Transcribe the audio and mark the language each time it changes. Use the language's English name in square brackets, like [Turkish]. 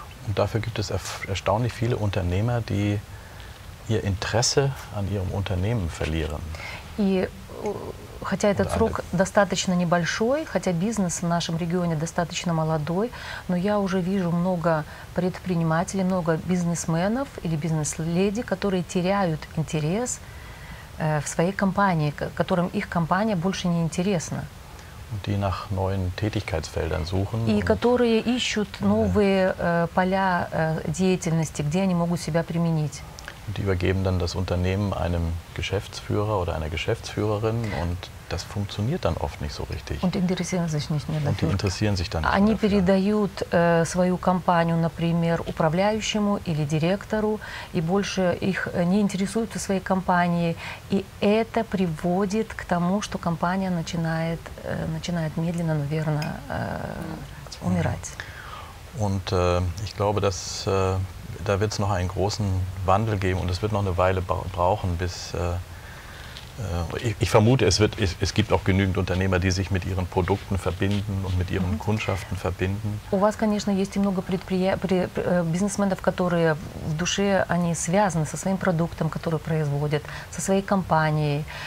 [German] Und dafür gibt es erstaunlich viele Unternehmer, die ihr Interesse an ihrem Unternehmen verlieren. [Russian] И хотя этот срок достаточно небольшой, хотя бизнес в нашем регионе достаточно молодой, но я уже вижу много предпринимателей, много бизнесменов или бизнес-леди, которые теряют интерес в своей компании, которым их компания больше не интересна. [German] Die nach neuen Tätigkeitsfeldern suchen. [Russian] И которые ищут новые поля деятельности, где они могут себя применить. [German] Die übergeben dann das Unternehmen einem Geschäftsführer oder einer Geschäftsführerin und das funktioniert dann oft nicht so richtig. Und interessieren sich nicht mehr dafür. Und die interessieren sich dann nicht mehr dafür. [Russian] Они передают свою компанию, например, управляющему или директору, и больше их не интересуют своей компанией. И это приводит к тому, что компания начинает медленно, но верно умирать. [German] Und ich glaube, dass da wird es noch einen großen Wandel geben und es wird noch eine Weile brauchen, bis ich vermute, es gibt auch genügend Unternehmer, die sich mit ihren Produkten verbinden und mit ihren Kundschaften verbinden. [Russian] У вас, конечно, есть и много бизнесменов, которые в душе они связаны со своим продуктом, который производят, со своей компанией.